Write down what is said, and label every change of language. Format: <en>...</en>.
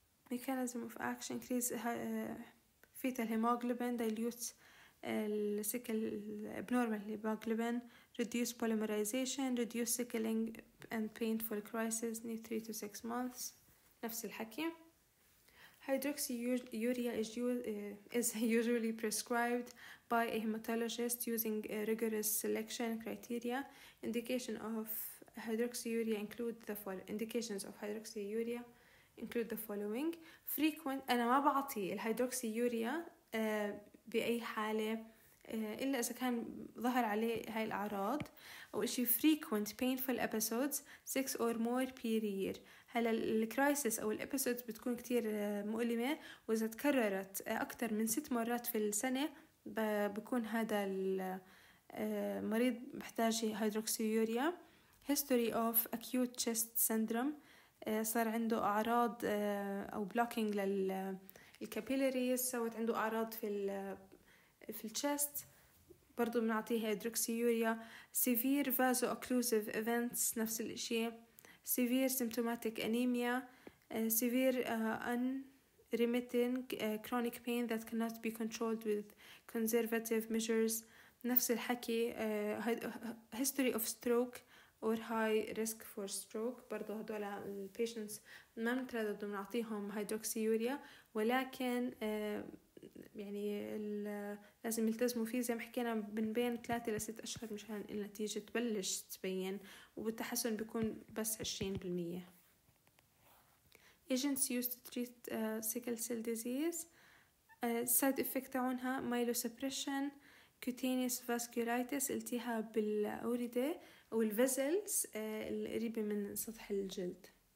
<en>Mechanism of action, increase fetal hemoglobin, dilute السيكل abnormal hemoglobin, reduce polymerization، reduce sickling and painful crisis need 3 to 6 months.</en> <ar>نفس الحكي.</ar> <en>Hydroxyurea is usually prescribed by a hematologist using a rigorous selection criteria. Indication of hydroxyurea include the following. Indications of hydroxyurea include the following. Frequent.</en> <ar>أنا ما بعطي الهيدروكسيوريا بأي حالة إلا إذا كان ظهر عليه هاي الأعراض، أو إشي</ar> <en>frequent painful episodes 6 or more per year.</en> <ar>هلا الكرايسيس أو الإبسود بتكون كتير مؤلمة، وإذا تكررت أكتر من 6 مرات في السنة بكون هذا المريض محتاج هيدروكسيوريا.</ar> <en>history of acute chest syndrome،</en> <ar>صار عنده أعراض أو blocking للكابيلاريز، سوت عنده أعراض في الشست، برضو بنعطيه هيدروكسيوريا.</ar> <en>severe vaso occlusive events،</en> <ar>نفس الشيء.</ar> <en>severe symptomatic anemia، severe unremitting chronic pain that cannot be controlled with conservative measures،</en> <ar>نفس الحكي.</ar> <en>history of stroke or high risk for stroke،</en> <ar>برضو هدول البيشنتس ما متردد بنعطيهم هيدروكسيوريا، ولكن يعني لازم يلتزموا فيه زي ما حكينا من بين 3 إلى 6 أشهر مشان النتيجة تبلش تبين، وبالتحسن بيكون بس 20%.</ar> <en>agents used to treat sickle cell disease، side effect تاعونها myelosuppression، cutaneous vasculitis،</en> <ar>التهاب بالأوردة أو الفيزلز القريبة من سطح الجلد.</ar>